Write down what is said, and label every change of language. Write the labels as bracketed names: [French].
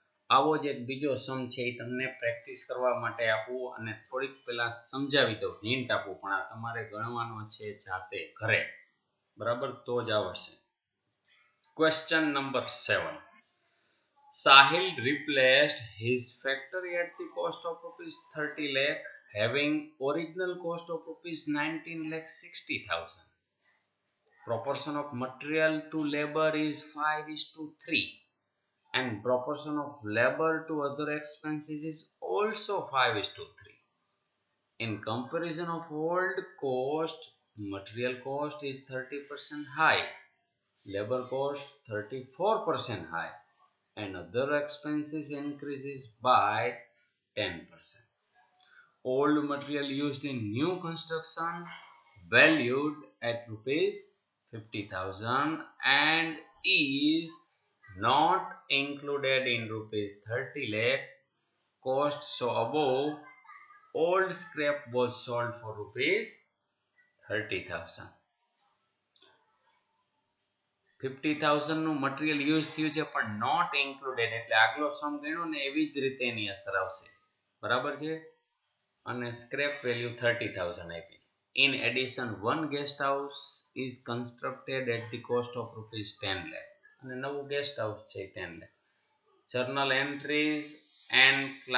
[Gujarati] આવો જ એક બીજો સમ છે એ તમને પ્રેક્ટિસ કરવા માટે આપું, અને થોડીક પહેલાં સમજાવી દઉં, હિન્ટ આપું, પણ આ તમારે ગણવાનો છે જાતે ઘરે, બરાબર, તો જ આવશે. [English] Question number 7, Sahil replaced his factory at the cost of ₹30,00,000 having original cost of ₹19,60,000. proportion of material to labor is 5:3, and proportion of labor to other expenses is also 5:3. In comparison of old cost, material cost is 30% high, labor cost 34% high, and other expenses increases by 10%. Old material used in new construction valued at ₹50,000 and is not included in ₹30 lakh cost. So above, old scrap was sold for ₹30,000. [Gujarati] 50,000 નું material use થયું છે પણ [English] not included [Gujarati] એટલે આગલો સમ ગણો ને એવી જ રીતે એની અસર આવશે બરાબર છે અને સ્ક્રેપ વેલ્યુ 30,000 આપી છે [English] in addition one guest house is constructed at the cost of [Gujarati] ₹10 lakh અને નવું ગેસ્ટ હાઉસ છે ₹10 લાખ જર્નલ એન્ટ્રીઝ એન્ડ